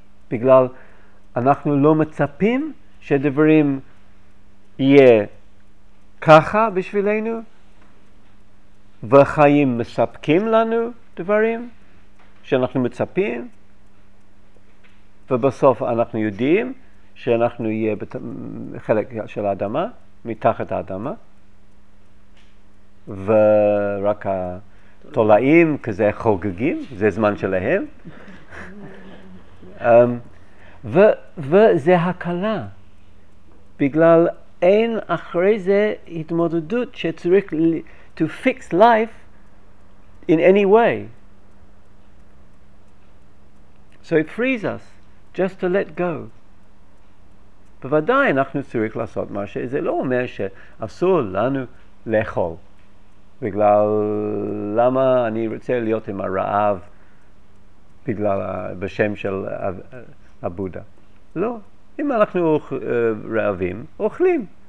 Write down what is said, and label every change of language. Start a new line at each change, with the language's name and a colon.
Hebrew: בגלל אנחנו לא מצפים שדברים יהיה ככה בשבילנו, והחיים מספקים לנו דברים שאנחנו מצפים, ובסוף אנחנו יודעים שאנחנו יהיה חלק של האדמה, מתחת האדמה, ורק התולעים כזה חוגגים, זה זמן שלהם. וזה הקלה, בגלל אין אחרי זה התמודדות שצריך
English: to fix life in any way. So it frees us just to let go.
Hebrew: בוודאי אנחנו צריך לעשות משהו, זה לא אומר שאסור לנו לאכול. בגלל למה אני רוצה להיות עם הרעב בגלל בשם של הבודה. לא, אם אנחנו רעבים, אוכלים.